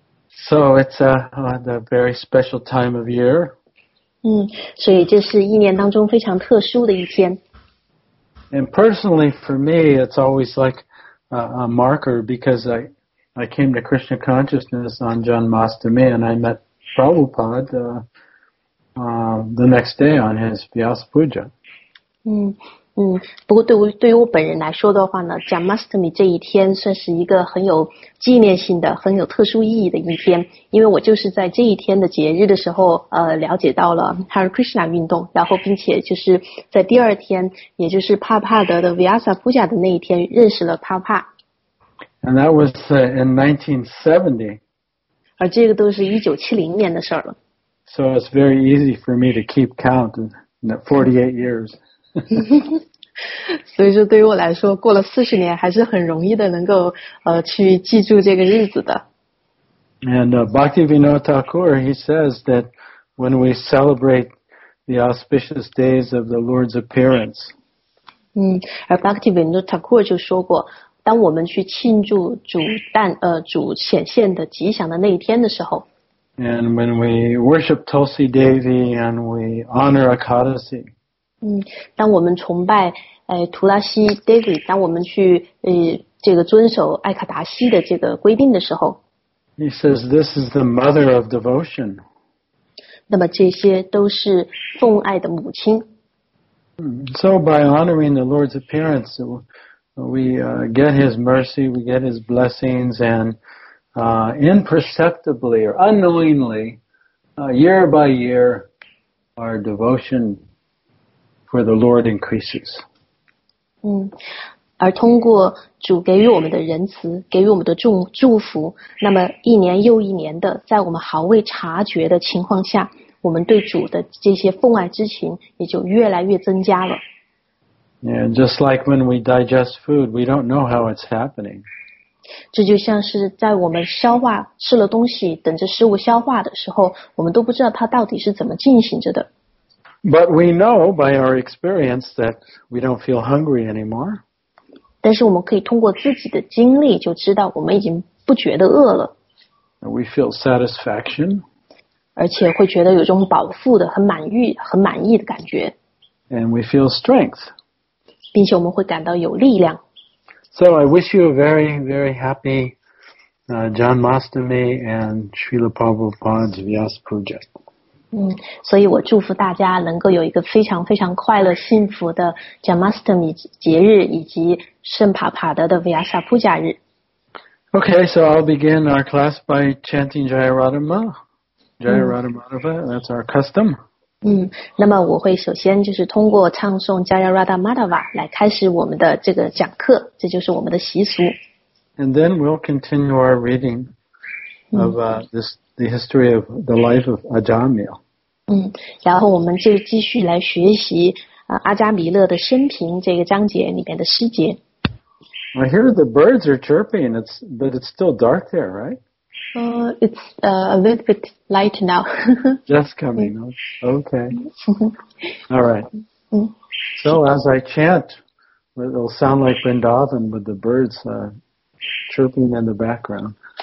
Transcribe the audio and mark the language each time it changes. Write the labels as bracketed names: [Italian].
[English] So it's a very special time of year. [Chinese] 所以这是一年当中非常特殊的一天。 [English] And personally for me, it's always like a marker because I came to Krishna consciousness on Janmashtami and I met Prabhupada the next day on his Vyas Puja. [Chinese] 不过对于我本人来说的话呢 Janmashtami 这一天算是一个很有纪念性的很有特殊意义的一天，因为我就是在这一天的节日的时候了解到了 Hare Krishna 运动，然后并且就是在第二天也就是帕帕德的 Vyas Puja 的那一天认识了帕帕。 [English] And that was in 1970. [Chinese] 而这个都是1970年的事儿了。 [English] So it's very easy for me to keep count in that 48 years. [Chinese] 所以说对于我来说过了40年还是很容易的能够去记住这个日子的。 [English] And Bhaktivinoda Thakur, he says that when we celebrate the auspicious days of the Lord's appearance. [Chinese] 而 Bhaktivinoda Thakur 就说过，当我们去庆祝主显现的吉祥的那一天的时候， [English] And when we worship Tulsi Devi and we honor Akadasi. [Chinese] 当我们崇拜图拉西 Devi, 当我们去这个遵守艾卡达西的这个规定的时候。 [English] He says this is the mother of devotion. [Chinese] 那么这些都是奉爱的母亲。 [English] So by honoring the Lord's appearance, we get his mercy, we get his blessings and imperceptibly or unknowingly, year by year, our devotion for the Lord increases. [Chinese] 而通过主给予我们的仁慈，给予我们的祝福，那么一年又一年的，在我们毫未察觉的情况下，我们对主的这些奉爱之情也就越来越增加了。 [English] Yeah, just like when we digest food, we don't know how it's happening. [Chinese] 这就像是在我们消化吃了东西等着食物消化的时候，我们都不知道它到底是怎么进行着的。 [English] But we know by our experience that we don't feel hungry anymore. [Chinese] 但是我们可以通过自己的经历就知道我们已经不觉得饿了。 [English] We feel satisfaction. [Chinese] 而且会觉得有种饱腹的很满意的感觉。 [English] And we feel strength. [Chinese] 并且我们会感到有力量。 [English] So I wish you a very, very happy Janmashtami and Srila Prabhupada's Vyas Puja. [Chinese] 所以我祝福大家能够有一个非常非常快乐幸福的 Janmashtami 节日以及圣帕帕德的 Vyas Puja 日。 [English] Okay, so I'll begin our class by chanting Jaya Radhama. Jaya Radha Madhava, that's our custom. [Chinese] 那么我会首先就是通过唱诵 Jaya Radha Madhava 来开始我们的这个讲课，这就是我们的习俗。 [English] And then we'll continue our reading of the history of the life of Ajamila. [Chinese] 然后我们就继续来学习阿加弥勒的生平这个章节里面的诗节。 [English] I hear the birds are chirping, but it's still dark there, right? It's a little bit light now. Just coming. Okay. All right. So as I chant, it'll sound like Vrindavan with the birds chirping in the background.